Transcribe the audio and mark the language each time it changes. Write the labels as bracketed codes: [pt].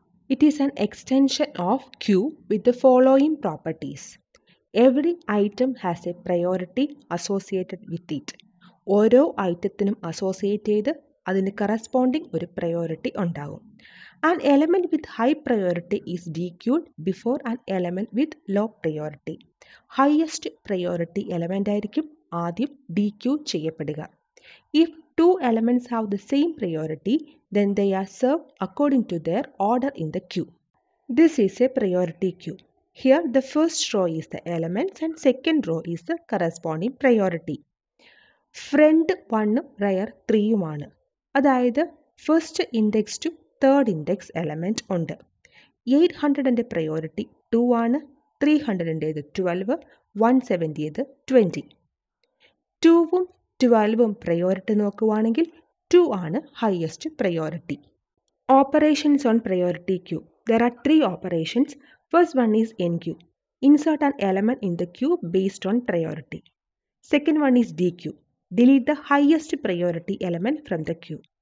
[en] It is an extension of queue with the following properties. Every item has a priority associated with it. [ml] ഓരോ ഐറ്റത്തിനും associate ചെയ്ത് അതിന് corresponding ഒരു priority ഉണ്ടാകും. [en] An element with high priority is dequeued before an element with low priority. [ml] Highest priority element ആയിരിക്കും ആദ്യം dequeue ചെയ്യപ്പെടുക. [en] If two elements have the same priority, then they are served according to their order in the queue. This is a priority queue. Here the first row is the elements and second row is the corresponding priority. Front 1, rear 3 ആണ്. അതായത് first index to third index element ഉണ്ട്. 800 priority 2 ആണ്, 300 12, 170 20. 2 12 priority നോക്കുവാണെങ്കിൽ 2 ആണ് highest priority. Operations on priority queue. There are 3 operations. First one is enqueue. Insert an element in the queue based on priority. Second one is dequeue. Delete the highest priority element from the queue.